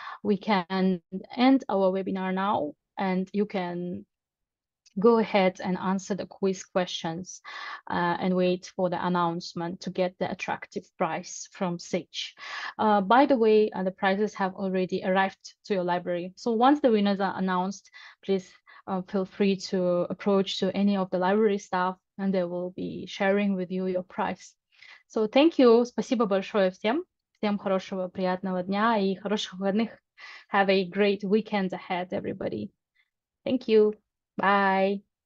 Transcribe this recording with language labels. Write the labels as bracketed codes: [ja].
[en] We can end our webinar now, and you can go ahead and answer the quiz questions and wait for the announcement to get the attractive prize from Sage. By the way, the prizes have already arrived to your library. So once the winners are announced, please feel free to approach to any of the library staff and they will be sharing with you your prize. So thank you. [ru] Спасибо большое всем. Всем хорошего, приятного дня и хороших выходных. [en] Have a great weekend ahead, everybody. Thank you. Bye.